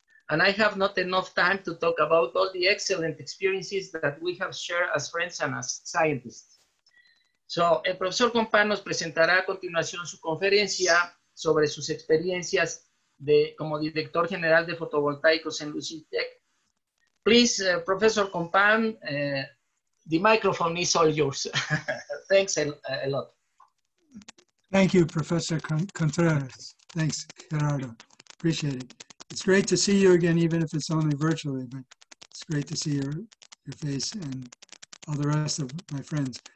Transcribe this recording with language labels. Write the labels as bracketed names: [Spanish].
[English] And I have not enough time to talk about all the excellent experiences that we have shared as friends and as scientists. [Spanish] So, el profesor Compaan nos presentará a continuación su conferencia sobre sus experiencias de como director general de fotovoltaicos en Lucitec. [English] Please, Professor Compaan, the microphone is all yours. Thanks a lot. Thank you, Professor Contreras. Thanks, Gerardo. Appreciate it. It's great to see you again, even if it's only virtually, but it's great to see your face and all the rest of my friends.